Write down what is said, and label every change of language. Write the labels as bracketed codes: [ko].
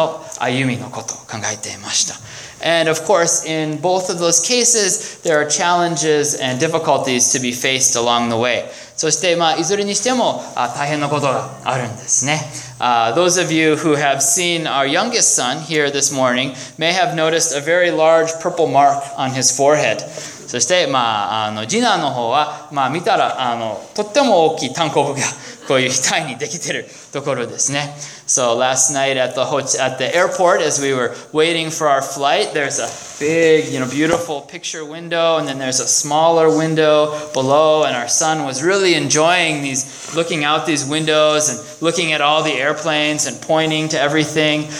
[ja] そして2つの旅を考えていましたね。こういう家族の、いわゆる旅行のものと、こういう仏教界、教団の歩みのことを考えていました。 [en] And of course, in both of those cases, there are challenges and difficulties to be faced along the way. [ja] そして、まあ、いずれにしても、大変なことがあるんですね。 [en] Those of you who have seen our youngest son here this morning may have noticed a very large purple mark on his forehead. [ja] そして、まあ、次男の方は、まあ、見たら、とっても大きい炭鉱部がこういう額にできてるところですね。 [en] So last night at the airport, as we were waiting for our flight, there's a big, you know, beautiful picture window, and then there's a smaller window below, and our son was really enjoying these, looking out these windows and looking at all the airplanes and pointing to everything.